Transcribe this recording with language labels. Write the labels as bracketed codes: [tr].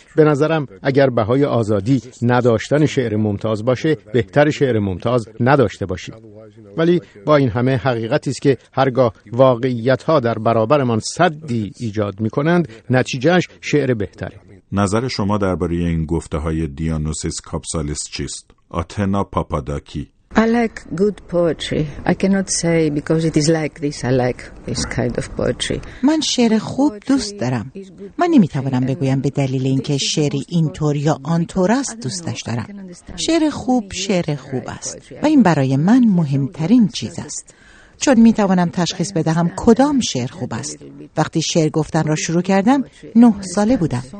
[fa] به نظرم اگر بهای آزادی نداشتن شعر ممتاز باشه، بهتر شعر ممتاز نداشته باشی. ولی با این همه حقیقتی است که هرگاه واقعیت‌ها در برابرمان سدی ایجاد می‌کنند، نتیجه‌اش شعر بهتره. نظر شما درباره این گفته‌های دیانوسیس کاپسالیس چیست؟ آتنا پاپاداکی. [en] I like good poetry. I cannot say because it is like this. I like this kind of poetry. [fa] من شعر خوب دوست دارم. من نمیتوانم بگویم به دلیل اینکه شعری اینطور یا آنطور است دوستش دارم. شعر خوب شعر خوب است و این برای من مهمترین چیز است. چون می توانم تشخیص بدهم کدام شعر خوب است. وقتی شعر گفتن را شروع کردم 9 ساله بودم.